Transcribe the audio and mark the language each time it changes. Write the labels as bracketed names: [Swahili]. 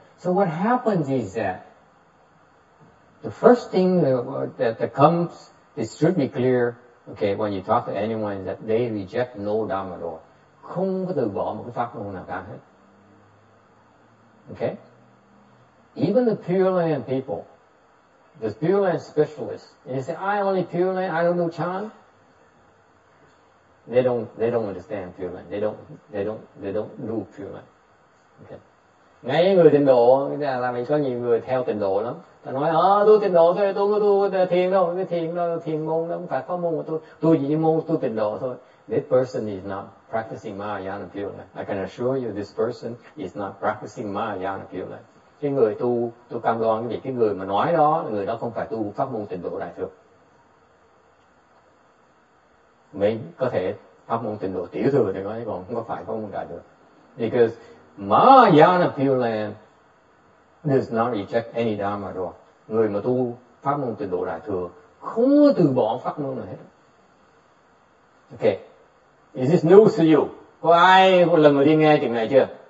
[English] So what happens is that the first thing that comes, it should be clear, okay, when you talk to anyone, is that they reject no Dharma door. [Vietnamese] Không có từ bỏ một cái pháp môn nào cả hết. [English] Okay? Even the Pure Land people, the Pure Land specialists, and they say, I only Pure Land, I don't know Chan. They don't understand Pure Land. They don't do Pure Land. Okay. [Vietnamese] Ngay người tịnh độ, là mình có nhiều người theo tịnh độ lắm. Ta nói, tôi tịnh độ thôi, tôi có tu thiền đâu, cái thiền đó, thiền môn đó, không phải có môn của tôi chỉ môn tu tịnh độ thôi. [English] This person is not practicing Mahayana Pure Land. I can assure you, this person is not practicing Mahayana Pure Land. [Vietnamese] Cái người tu, tôi cam đoan cái gì, cái người mà nói đó, người đó không phải tu pháp môn tịnh độ đại thừa. Mình có thể pháp môn tịnh độ tiểu thừa thì nói, còn không có phải pháp môn đại thừa. [English] Because Mahayana Pure Land does not reject any Dharma at all. [Vietnamese] Người mà tu pháp môn tịnh độ đại thừa không có từ bỏ pháp môn nào hết. [English] Okay, is this news to you? [Vietnamese] Có ai một lần đi nghe chuyện này chưa?